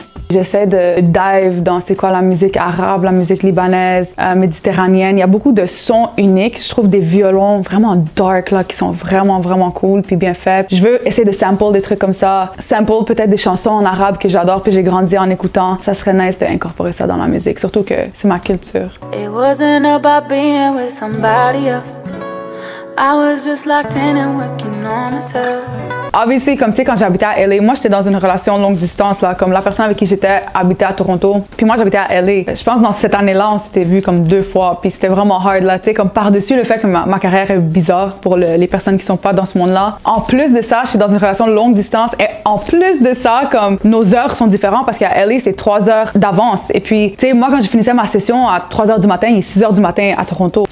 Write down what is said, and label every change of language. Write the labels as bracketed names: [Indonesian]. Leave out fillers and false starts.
[French] J'essaie de dive dans c'est quoi la musique arabe, la musique libanaise, méditerranéenne. Il y a beaucoup de sons uniques. Je trouve des violons vraiment dark là, qui sont vraiment, vraiment cool puis bien faits. Je veux essayer de sample des trucs comme ça. Sample peut-être des chansons en arabe que j'adore puis j'ai grandi en écoutant. Ça serait nice d'incorporer ça dans la musique, surtout que c'est ma culture. [English] It wasn't about being with somebody else. I was just locked in and working on myself. [French] Obviously, comme tu sais, quand j'habitais à LA, moi j'étais dans une relation longue distance là, comme la personne avec qui j'étais habitait à Toronto, puis moi j'habitais à LA. Je pense dans cette année-là, on s'était vu comme deux fois, puis c'était vraiment hard là, tu sais, comme par-dessus le fait que ma carrière est bizarre pour les personnes qui sont pas dans ce monde-là. En plus de ça, je suis dans une relation longue distance, et en plus de ça, comme nos heures sont différentes parce qu'à LA c'est 3 heures d'avance, et puis tu sais, moi quand je finissais ma session à 3 heures du matin, il est 6 heures du matin à Toronto.